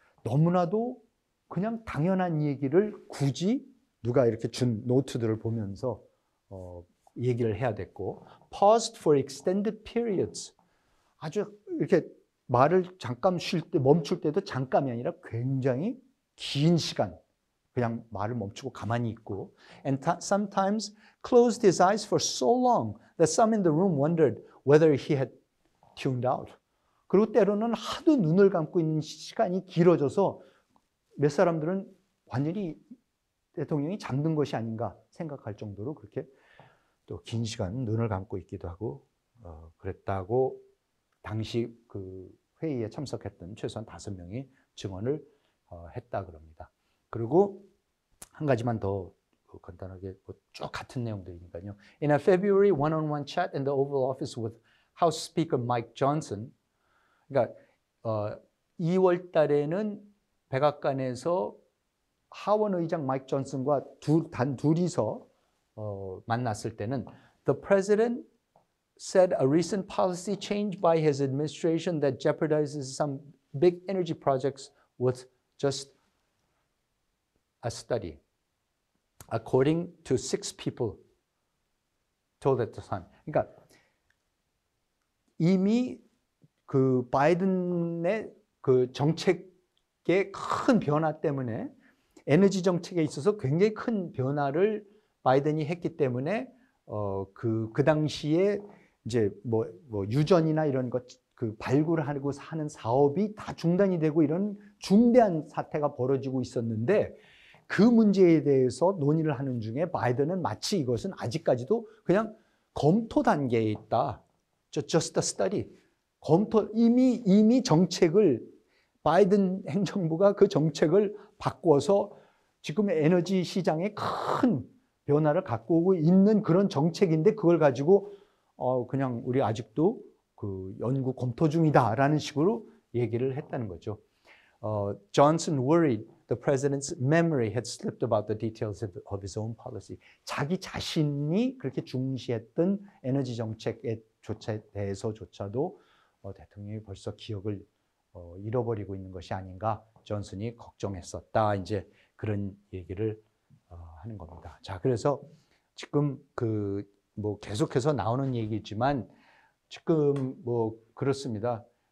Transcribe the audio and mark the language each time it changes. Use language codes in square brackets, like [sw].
[ko] 너무나도 그냥 당연한 얘기를 굳이 누가 이렇게 준 노트들을 보면서 얘기를 해야 됐고 [en] paused for extended periods. [ko] 아주 이렇게 말을 잠깐 쉴 때 멈출 때도 잠깐이 아니라 굉장히 긴 시간 그냥 말을 멈추고 가만히 있고 [en] and sometimes closed his eyes for so long that some in the room wondered whether he had tuned out. [ko] 그리고 때로는 하도 눈을 감고 있는 시간이 길어져서 몇 사람들은 완전히 대통령이 잠든 것이 아닌가 생각할 정도로 그렇게 또 긴 시간 눈을 감고 있기도 하고 그랬다고 당시 그 회의에 참석했던 최소한 다섯 명이 증언을 했다 그럽니다. 그리고 한 가지만 더 간단하게 뭐 쭉 같은 내용들이니까요. [en] In a February one-on-one chat in the Oval Office with House Speaker Mike Johnson, [ko] 그러니까 2월 달에는 백악관에서 하원 의장 마이크 존슨과 둘이서 만났을 때는 [en] The president said a recent policy change by his administration that jeopardizes some big energy projects was just a study. According to six people told at the time. [ko] 그러니까 이미 그 바이든의 그 정책 큰 변화 때문에 에너지 정책에 있어서 굉장히 큰 변화를 바이든이 했기 때문에 그 당시에 이제 뭐 유전이나 이런 것 그 발굴하고 하는 사업이 다 중단이 되고 이런 중대한 사태가 벌어지고 있었는데 그 문제에 대해서 논의를 하는 중에 바이든은 마치 이것은 아직까지도 그냥 검토 단계에 있다. [en] Just a study. [ko] 검토 이미 정책을 바이든 행정부가 그 정책을 바꿔서 지금 에너지 시장에 큰 변화를 갖고 오고 있는 그런 정책인데 그걸 가지고 그냥 우리 아직도 그 연구 검토 중이다라는 식으로 얘기를 했다는 거죠. [en] Johnson worried the president's memory had slipped about the details of his own policy. [ko] 자기 자신이 그렇게 중시했던 에너지 정책에 대해서조차도 대통령이 벌써 기억을 잃어버리고 있는 것이 아닌가 존슨이 걱정했었다 이제 그런 얘기를 하는 겁니다. 자 그래서 지금 그 뭐 계속해서 나오는 얘기지만 지금 뭐 그렇습니다.